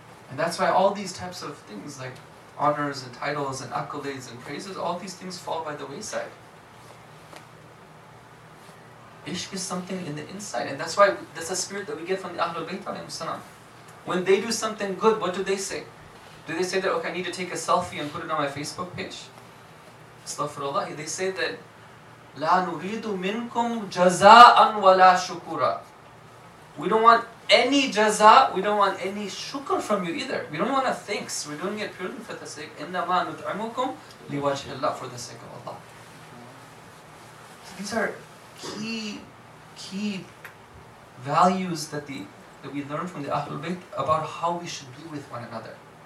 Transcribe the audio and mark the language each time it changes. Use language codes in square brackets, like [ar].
[en] And that's why all these types of things like honors and titles and accolades and praises, all these things fall by the wayside. Ishq is something in the inside, and that's why that's a spirit that we get from the Ahlul Bayt alayhim salam. When they do something good, what do they say? Do they say that, okay, I need to take a selfie and put it on my Facebook page? Astaghfirullah. They say that, [ar] لَا نُرِيدُ مِنْكُمْ جَزَاءً وَلَا شُكُورًا. [en] We don't want any jaza, we don't want any shukr from you either. We don't want a thanks. We're doing it purely for the sake. [ar] إِنَّمَا نُطْعِمُكُمْ لِوَجْهِ اللَّهِ, [en] for the sake of Allah. So these are key values that we learn from the Ahlul Bayt about how we should be with one another.